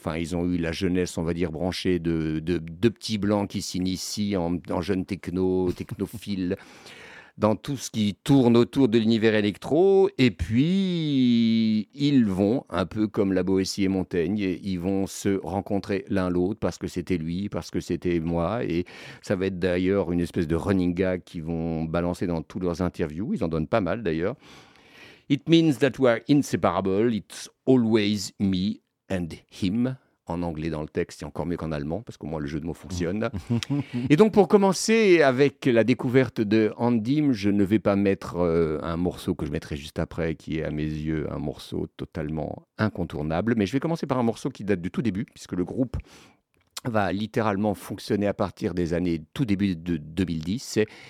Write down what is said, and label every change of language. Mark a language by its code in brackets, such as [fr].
[fr] Enfin, ils ont eu la jeunesse, on va dire, branchée de petits blancs qui s'initient en jeunes technophiles dans tout ce qui tourne autour de l'univers électro. Et puis, ils vont, un peu comme La Boétie et Montaigne, ils vont se rencontrer l'un l'autre parce que c'était lui, parce que c'était moi. Et ça va être d'ailleurs une espèce de running gag qu'ils vont balancer dans toutes leurs interviews. Ils en donnent pas mal d'ailleurs. [en] « It means that we are inseparable. It's always me and him. [fr] » En anglais dans le texte, et encore mieux qu'en allemand, parce qu'au moins le jeu de mots fonctionne. Et donc, pour commencer avec la découverte de Andim, je ne vais pas mettre un morceau que je mettrai juste après, qui est à mes yeux un morceau totalement incontournable, mais je vais commencer par un morceau qui date du tout début, puisque le groupe va littéralement fonctionner à partir des années tout début de 2010.